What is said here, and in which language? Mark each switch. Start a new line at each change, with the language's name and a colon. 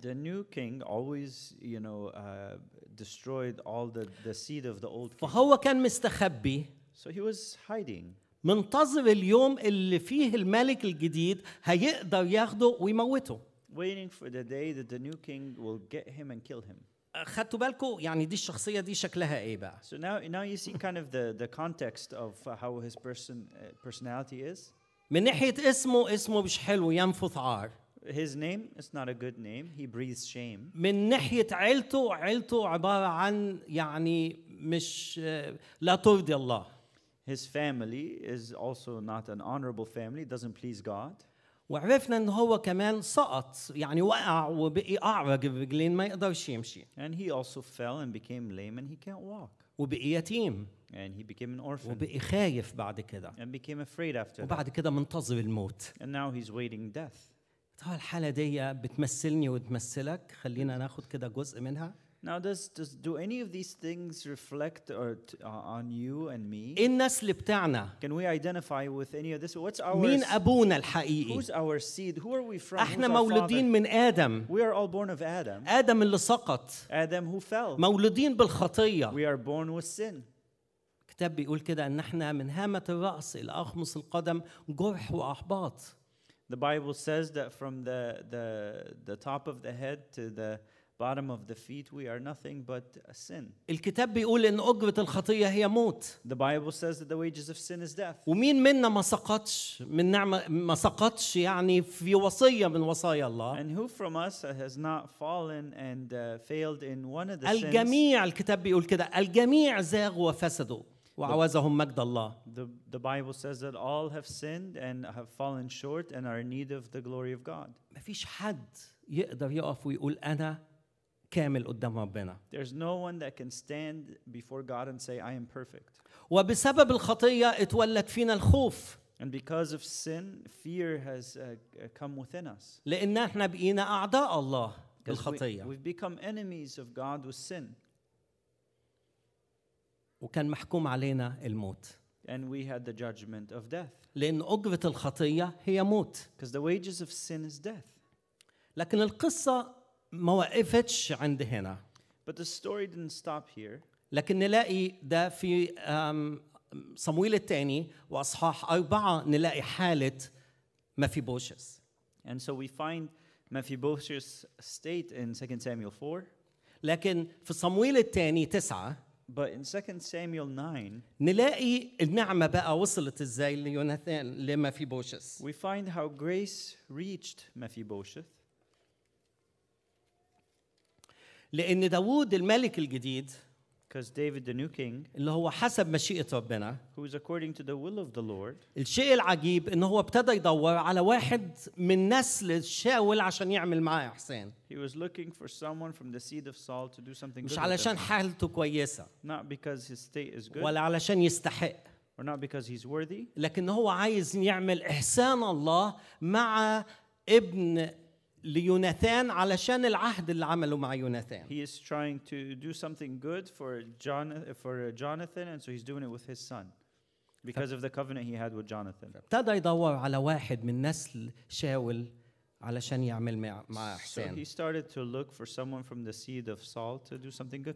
English: The new king always, you know, destroyed all the seed of the old.
Arabic: فهو كان مستخبي.
English: So he was hiding.
Arabic: منتظر اليوم اللي فيه الملك الجديد هيقدر ياخده ويموته.
English: Waiting for the day that the new king will get him and kill him.
Arabic: خدتوا بالكم يعني دي الشخصية دي شكلها إيه بقى؟
English: So now you see kind of the context of how his personality is.
Arabic: من ناحية اسمه مش حلو ينفث عار.
English: His name is not a good name. He breathes shame.
Arabic: من ناحية عيلته عبارة عن يعني مش لا ترضي الله.
English: His family is also not an honorable family. It doesn't please God.
Arabic: وعرفنا إن هو كمان سقط يعني وقع وبقي أعرج الرجلين ما يقدرش يمشي.
English: And he also fell and became lame and he can't walk.
Arabic: وبقي يتيم.
English: And he became an orphan.
Arabic: وبقي خايف بعد كده.
English: And became afraid after.
Arabic: وبعد كده منتظر الموت.
English: And now he's waiting death.
Arabic: طبعا الحالة دي بتمثلني وتمثلك خلينا ناخد كده جزء منها.
English: Now does do any of these things reflect or on you and me?
Arabic: النسل بتاعنا.
English: Can we identify with any of this? What's our
Arabic: مين أبونا الحقيقي?
English: Who's our seed? Who are we from?
Arabic: احنا مولودين من آدم.
English: We are all born of Adam.
Arabic: آدم اللي سقط.
English: Adam who fell.
Arabic: مولودين بالخطية.
English: We are born with sin.
Arabic: الكتاب بيقول كده ان احنا من هامة الرأس إلى أخمص القدم جرح وأحباط.
English: The Bible says that from the top of the head to the bottom of the feet, we are nothing but a sin.
Arabic: الكتاب بيقول إن أجرة الخطية هي موت.
English: The Bible says that the wages of sin is death.
Arabic: ومين منا ما سقطش من نعمة ما سقطش يعني في وصية من وصايا الله.
English: And who from us has not fallen and failed in one of the sins?
Arabic: الجميع الكتاب بيقول كده الجميع زاغوا وفسدوا وعوزهم مجد الله.
English: The Bible says that all have sinned and have fallen short and are in need of the glory of God.
Arabic: ما فيش حد يقدر يقف ويقول أنا كامل قدام ربنا.
English: There's no one that can stand before God and say I am perfect.
Arabic: وبسبب الخطية اتولد فينا الخوف.
English: And because of sin, fear has come within us.
Arabic: لأن احنا بقينا أعداء الله بالخطية.
English: We've become enemies of God with sin.
Arabic: وكان محكوم علينا الموت.
English: And we had the judgment of death.
Arabic: لأن أجرة الخطية هي موت.
English: Because the wages of sin is death.
Arabic: لكن القصة ما وقفتش عند هنا.
English: But the story didn't stop here.
Arabic: لكن نلاقي ده في صمويل الثاني وأصحاح أربعة نلاقي حالة مفيبوشس.
English: And so we find Mephibosheth's state in 2 Samuel 4.
Arabic: لكن في صمويل الثاني تسعة.
English: But in 2 Samuel 9.
Arabic: نلاقي النعمة بقى وصلت إزاي ليوناثان لمفيبوشس.
English: We find how grace reached Mephibosheth.
Arabic: لأن داود الملك الجديد
English: because David the new king
Arabic: اللي هو حسب مشيئة ربنا
English: who is according to the will of the Lord
Arabic: الشيء العجيب إن هو ابتدى يدور على واحد من نسل شاول عشان يعمل معاه إحسان
English: he was looking for someone from the seed of Saul to do something
Arabic: مش علشان حالته كويسة
English: not because his state is good
Arabic: ولا علشان يستحق
English: or not because he's worthy.
Arabic: لكن هو عايز يعمل إحسان الله مع ابن ليوناثان علشان العهد اللي عمله مع يوناثان.
English: He is trying to do something good for Jonathan, and so he's doing it with his son because of the covenant he had with Jonathan.
Arabic: ابتدى يدور على واحد من نسل شاول علشان يعمل مع إحسان.
English: So he started to look for someone from the seed of Saul to do something good.